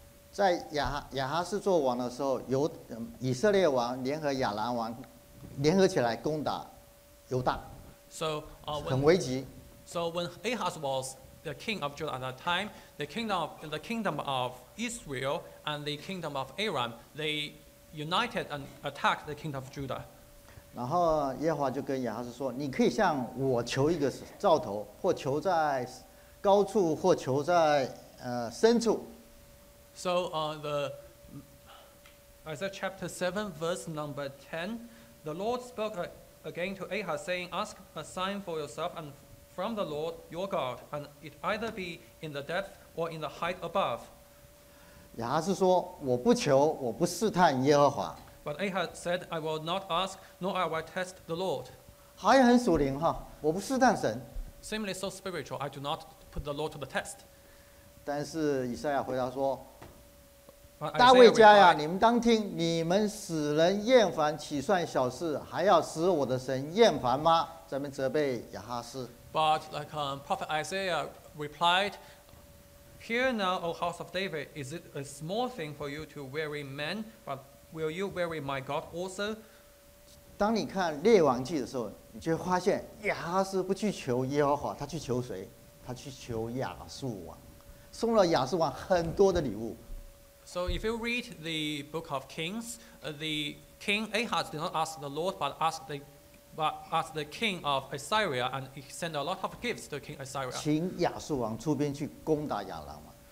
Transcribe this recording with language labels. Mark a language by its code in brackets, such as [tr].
[zh] 在亚哈斯做王的时候，由以色列王联合亚兰王联合起来攻打犹大。 [en] So, [zh] 很危急。 [en] So when Ahaz was the king of Judah at that time, the kingdom of Israel and the kingdom of Aram, they united and attacked the kingdom of Judah. [zh] 然后耶和华就跟亚哈斯说：“你可以向我求一个兆头，或求在高处，或求在深处。” [en] So, the Isaiah chapter 7 verse number 10, the Lord spoke again to Ahaz, saying, "Ask a sign for yourself and from the Lord your God, and it either be in the depth or in the height above. [zh] 亚哈是说，我不求，我不试探耶和华。 [en] But Ahaz said, I will not ask, nor I will test the Lord. [zh] 还很属灵哈，我不试探神。 [en] Similarly, so spiritual, I do not put the Lord to the test. [zh] 但是以赛亚回答说。 [en] Replied, [zh] 大卫家呀，你们当听，你们使人厌烦，岂算小事？还要使我的神厌烦吗？咱们责备亚哈斯。 [en] But like Prophet Isaiah replied, "Hear now, O house of David, is it a small thing for you to weary men? But will you weary my God also?" [zh] 当你看列王记的时候，你就会发现亚哈斯不去求耶和华，他去求谁？他去求亚述王，送了亚述王很多的礼物。 [en] So if you read the book of Kings, the king Ahaz did not ask the Lord, but asked the king of Assyria, and he sent a lot of gifts to king Assyria. [zh] 请亚述王出兵去攻打亚兰王。